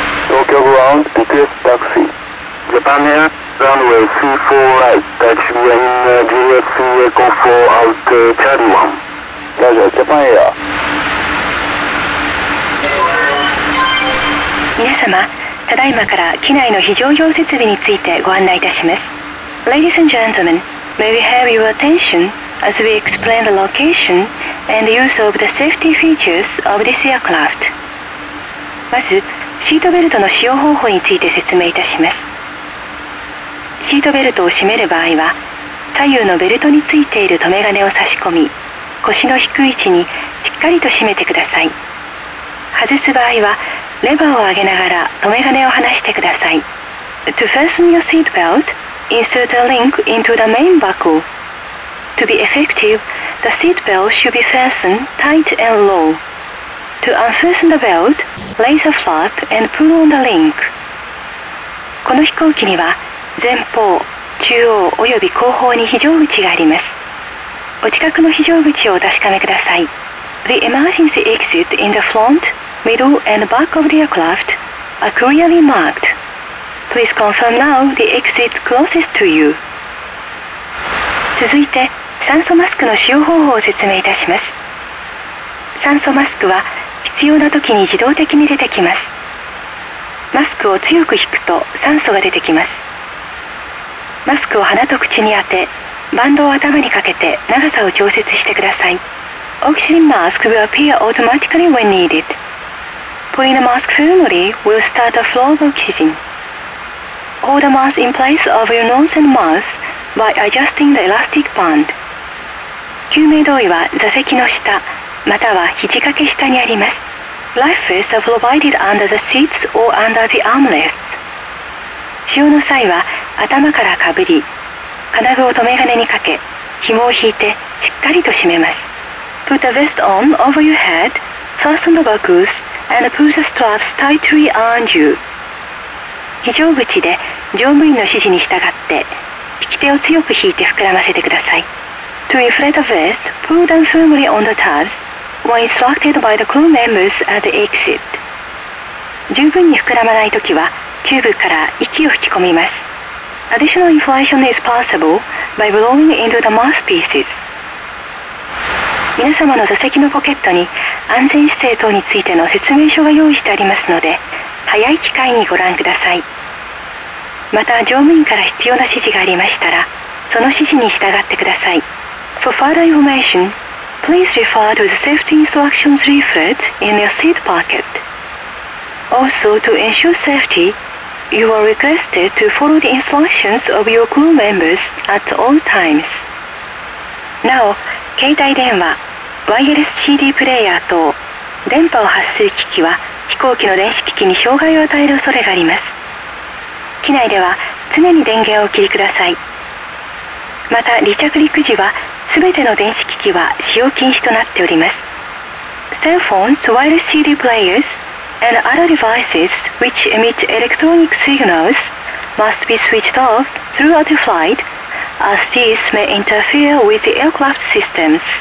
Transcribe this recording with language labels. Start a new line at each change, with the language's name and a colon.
English: 東京ブラウンリクエストタクシーJapan Air, runway 34 right, taxi when GX Echo 4 out Charlie 1. Roger, Japan Air.
Japanese: 皆様、ただいまから機内の非常用設備についてご案内いたします。
English: Ladies and gentlemen, may we have your attention as we explain the location and the use of the safety features of this aircraft.
Japanese: まず、シートベルトの使用方法について説明いたします。シートベルトを締める場合は、左右のベルトについている留め金を差し込み、腰の低い位置にしっかりと締めてください。外す場合は、レバーを上げながら留め金を離してください。
English: To fasten your seat belt, insert a link into the main buckle. To be effective, the seat belt should be fastened tight and low. To unfasten the belt, raise a flap and pull on the link.
Japanese: この飛行機には、前方、中央及び後方に非常口があります。お近くの非常口をお確かめください。
English: The emergency exit in the front, middle and back of the aircraft are clearly marked. Please confirm now the exit closest to you.
Japanese: 続いて、酸素マスクの使用方法を説明いたします。酸素マスクは必要な時に自動的に出てきます。マスクを強く引くと酸素が出てきます。マスクを鼻と口に当て、バンドを頭にかけて長さを調節してください。
English: Oxygen mask will appear automatically when needed. Pulling the mask firmly will start a flow of oxygen. Hold the mask in place of your nose and mouth by adjusting the elastic band.
Japanese: 救命胴衣は座席の下、または肘掛け下にあります。
English: Life vests are provided under the seats or under the armrest.
Japanese: 使用の際は頭からかぶり、金具を留め金にかけ、紐を引いてしっかりと締めます。
English: Put a vest on over your head, fasten the buckles, and pull the straps tightly around you.
Japanese: 非常口で乗務員の指示に従って、引き手を強く引いて膨らませてください。
English: To inflate the vest, pull down firmly on the tabs, when instructed by the crew members at the exit.
Japanese: 十分に膨らまないときは、チューブから息を吹き込みます。
English: Additional inflation is possible by blowing into the mouthpieces.
Japanese: 皆様の座席のポケットに安全姿勢等についての説明書が用意してありますので、早い機会にご覧ください。また乗務員から必要な指示がありましたら、その指示に従ってください。
English: For further information, please refer to the safety instructions leaflet in your seat pocket.Also, to ensure safety, You are requested to follow the instructions of your crew members at all times.
Japanese: なお、携帯電話、ワイヤレス CD プレイヤー等、電波を発する機器は飛行機の電子機器に障害を与える恐れがあります。機内では常に電源をお切りください。また、離着陸時は全ての電子機器は使用禁止となっております。
English: Cell phones, wireless CD players, and other devices which emit electronic signals must be switched off throughout the flight, as these may interfere with the aircraft systems.